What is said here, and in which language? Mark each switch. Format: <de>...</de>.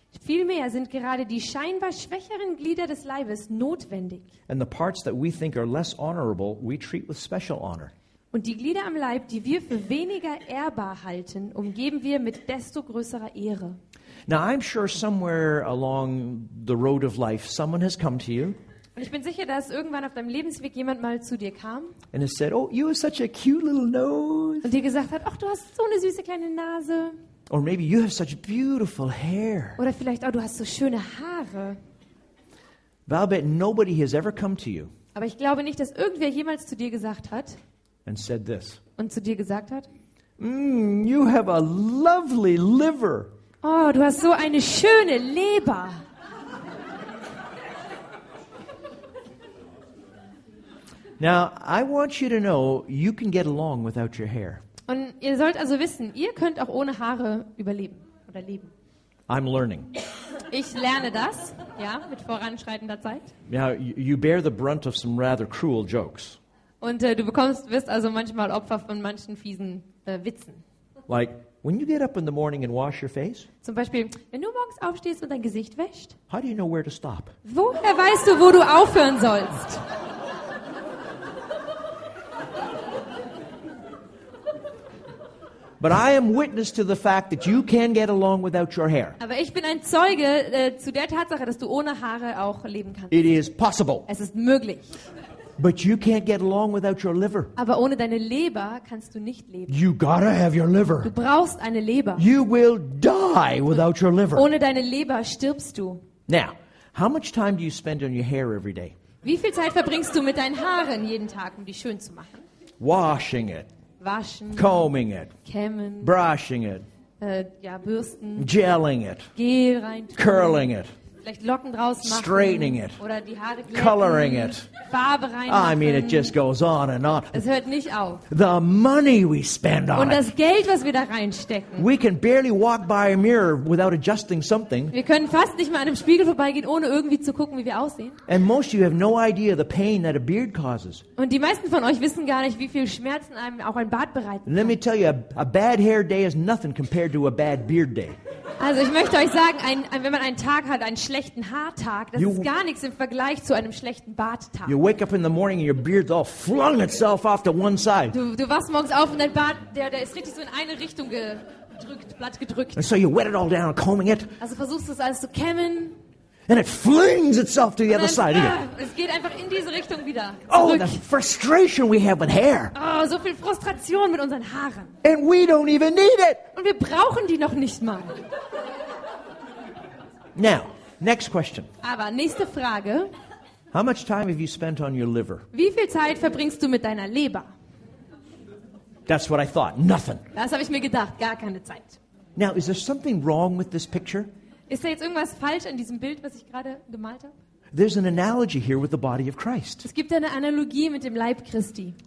<de>Vielmehr sind gerade die scheinbar schwächeren Glieder des Leibes notwendig.</de> <en>And the parts that we think are less honorable, we treat with special honor.</en> <de>Und die Glieder am Leib, die wir für weniger ehrbar halten, umgeben wir mit desto größerer Ehre.</de> <en>Now I'm sure somewhere along the road of life someone has come to you.</en> <de>Und ich bin sicher, dass irgendwann auf deinem Lebensweg jemand mal zu dir kam.</de> <en>And has said, "Oh, you have such a cute little nose."</en> <de>Und dir gesagt hat, "Ach, du hast so eine süße kleine Nase."</de> <en>Or maybe you have such beautiful hair.</en> <de>Oder vielleicht auch, oh, du hast so schöne Haare.</de> <en>But I bet nobody has ever come to you.</en> <de>Aber ich glaube nicht, dass irgendwer jemals zu dir gesagt hat.</de> <en>And said this.</en> <de>Und zu dir gesagt hat.</de> <en>You have a lovely liver.</en> <de>Oh, du hast so eine schöne Leber.</de> <en>Now, I want you to know, you can get along without your hair.</en> <de>Und ihr sollt also wissen, ihr könnt auch ohne Haare überleben oder leben.</de> <en>I'm learning.</en> <de>Ich lerne das, ja, mit voranschreitender Zeit.</de> <en>Now, you bear the brunt of some rather cruel jokes.</en> <de>Und wirst also manchmal Opfer von manchen fiesen Witzen.</de> <en>Like, when you get up in the morning and wash your face?</en> <de>Zum Beispiel, wenn du morgens aufstehst und dein Gesicht wäschst?</de> <en>How do you know where to stop?</en> <de>Woher weißt du, wo du aufhören sollst?</de> <en>But I am witness to the fact that you can get along without your hair.</en> <de>Aber ich bin ein Zeuge zu der Tatsache, dass du ohne Haare auch leben kannst.</de> <en>It is possible.</en> <de>Es ist möglich.</de> <en>But you can't get along without your liver.</en> <de>Aber ohne deine Leber kannst du nicht leben.</de> <en>You gotta have your liver.</en> <de>Du brauchst eine Leber.</de> <en>You will die without your liver.</en> <de>Ohne deine Leber stirbst du.</de> <en>Now, how much time do you spend on your hair every day?</en> <de>Wie viel Zeit verbringst du mit deinen Haaren jeden Tag, um die schön zu machen?</de> <en>Washing it.</en> <de>Waschen.</de> <en>Combing it.</en> <de>Kämmen.</de> <en>Brushing it.</en> <de>Ja, bürsten.</de> <en>Gelling it.</en> <de>Gel rein tun.</de> <en>Curling it.</en> <de>Vielleicht Locken draus machen.</de> <en>Straightening it.</en> <de>Oder die Haare glätten.</de> <en>Coloring it.</en> <de>Farbe reinmachen.</de> <en>I mean, it just goes on and on.</en> <de>Es hört nicht auf.</de> <en>The money we spend on it.</en> <de>Und das Geld, was wir da reinstecken.</de> <en>We can barely walk by a mirror without adjusting something.</en> <de>Wir können fast nicht mal an einem Spiegel vorbeigehen, ohne irgendwie zu gucken, wie wir aussehen.</de> <en>And most of you have no idea the pain that a beard causes.</en> <de>Und die meisten von euch wissen gar nicht, wie viel Schmerzen einem auch ein Bart bereiten kann.</de> <en>Let me tell you, a bad hair day is nothing compared to a bad beard day.</en> <de>Also ich möchte euch sagen, wenn man einen Tag hat, einen schlechten Haartag, das ist gar nichts im Vergleich zu einem schlechten Barttag.</de> <en>You wake up in the morning and your beard all flung itself off to one side.</en> <de>Du wachst morgens auf und dein Bart, der ist richtig so in eine Richtung gedrückt, platt gedrückt.</de> <en>And so you wet it all down, combing it.</en> <de>Also versuchst du es alles zu kämmen.</de> <en>And it flings itself to the other side again.</en> <de>Es geht einfach in diese Richtung wieder.</de> <en>Oh, the frustration we have with hair.</en> <de>Oh, so viel Frustration mit unseren Haaren.</de> <en>And we don't even need it.</en> <de>Und wir brauchen die noch nicht mal.</de> <en>Now, next question.</en> <de>Aber nächste Frage.</de> <en>How much time have you spent on your liver?</en> <de>Wie viel Zeit verbringst du mit deiner Leber?</de> <en>That's what I thought. Nothing.</en> <de>Das habe ich mir gedacht. Gar keine Zeit.</de> <en>Now, is there something wrong with this picture?</en> <de>Ist da jetzt irgendwas falsch an diesem Bild, was ich gerade gemalt habe?</de> <en>There's an analogy here with the body of Christ.</en> <de>Es gibt eine Analogie mit dem Leib Christi.</de>